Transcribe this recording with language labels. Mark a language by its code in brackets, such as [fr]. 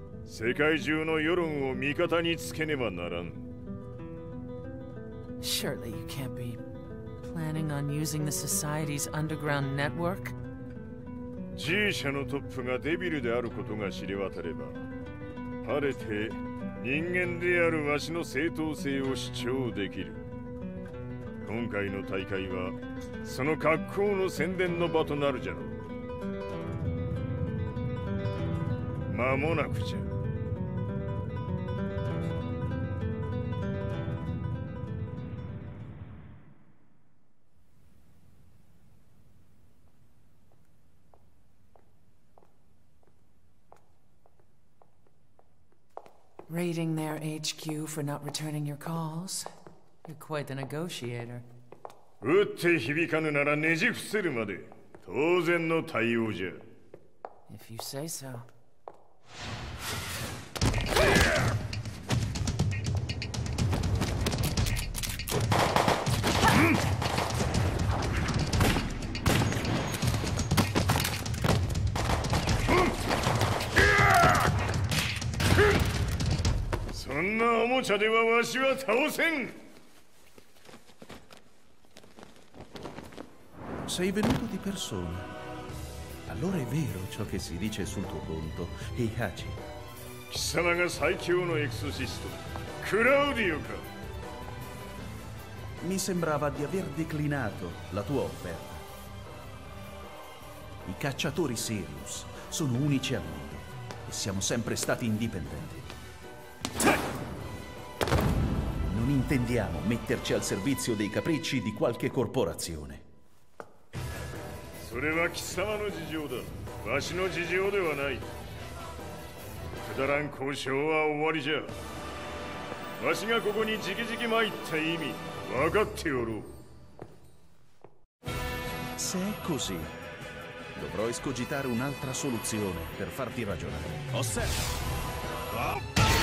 [ja] 世界中の世論を味方につけねばならん。 [en] Surely you can't be planning on using the society's underground network? [ja] G 社のトップがデビルであることが知れ渡れば、晴れて人間であるわしの正当性を主張できる。今回の大会はその格好の宣伝の場となるじゃろう。間もなくじゃ。 [en] Raiding their HQ for not returning your calls. You're quite the negotiator. [ja] 撃って響かぬならねじ伏せるまで、当然の対応じゃ。 [en] If you say so. [ja] おもちゃではわしは倒せん。 [it] Sei venuto di persona. Allora è vero ciò che si dice sul tuo conto, Heihachi. [ja] 貴様が最強のエクソシスト、クラウディオか。 [it] Mi sembrava di aver declinato la tua offerta. I cacciatori Sirius sono unici al mondo e siamo sempre stati indipendenti. Intendiamo metterci al servizio dei capricci di qualche corporazione. [ja] それは貴様の事情だ。わしの事情ではない。くだらん交渉は終わりじゃ。わしがここに直々参った意味、分かっておろう。 [it] Se è così, dovrò escogitare un'altra soluzione per farti ragionare. Osserva!